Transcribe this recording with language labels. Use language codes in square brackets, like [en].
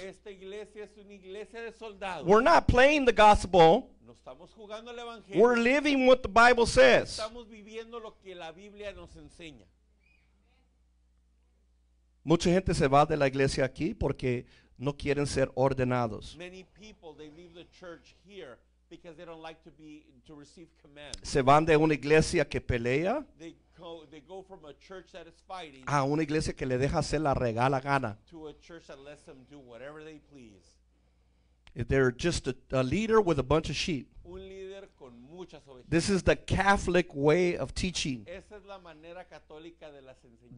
[es] Esta iglesia es una iglesia de soldados. [en] We're not playing the gospel. [es] Estamos jugando el evangelio. [en] We're living what the Bible says. [es] Estamos viviendo lo que la Biblia nos enseña. Mucha gente se va de la iglesia aquí porque no quieren ser ordenados. [en] Many people they leave the church here because they don't like to be to receive command. [es] Se van de una iglesia que pelea. [en] They go from a church that is fighting. [es] A una iglesia que le deja hacer la regala gana. [en] To a church that lets them do whatever they please. They're just a leader with a bunch of sheep. [es] Un líder con muchas ovejas. [en] This is the Catholic way of teaching. [es] Esa es la manera católica de las enseñanzas.